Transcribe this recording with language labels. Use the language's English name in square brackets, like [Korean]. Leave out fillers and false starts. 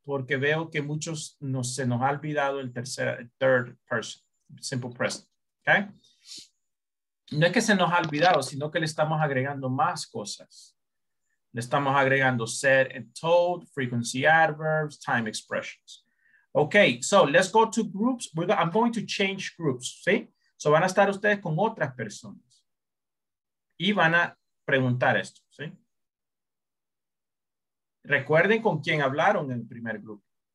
[Spanish] Porque veo que muchos se nos ha olvidado el third person, simple present. ¿Okay? No es que se nos ha olvidado, sino que le estamos agregando más cosas. Le estamos agregando said and told, frequency adverbs, time expressions. [English] Okay, so let's go to groups. I'm going to change groups. [Spanish] ¿Sí? So van a estar ustedes con otras personas. Y van a preguntar esto. ¿Sí? Recuerden con quién hablaron en el primer grupo.